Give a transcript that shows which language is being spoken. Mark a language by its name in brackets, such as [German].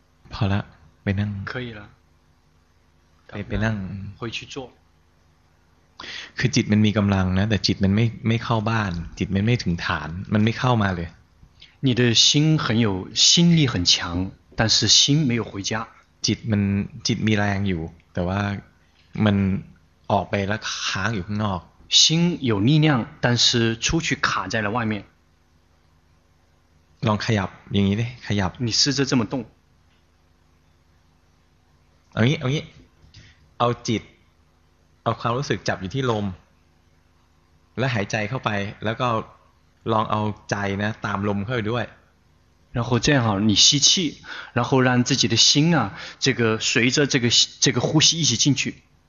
[Chinese] 好了， [Thai] ไปนั่ง [Chinese] 可以了 [Thai] ไปนั่ง [Chinese] 回去坐 [Thai] คือจิตมันมีกำลังนะแต่จิตมันไม่เข้าบ้านจิตมันไม่ถึงฐานมันไม่เข้ามาเลย [Chinese] 你的心很有心力很强但是心没有回家 [Thai] จิตมีแรงอยู่แต่ว่ามันออกไปแล้วค้างอยู่ข้างนอก [Chinese] 心有力量但是出去卡在了外面 [Thai] ลองขยับอย่างนี้ดิขยับ [Chinese] 你试着这么动 [Thai] เอางี้เอาจิตเอาความรู้สึกจับอยู่ที่ลมและหายใจเข้าไปแล้วก็ลองเอาใจนะตามลมเข้าไปด้วย [Chinese] 然后这样好你吸气然后让自己的心啊这个随着这个呼吸一起进去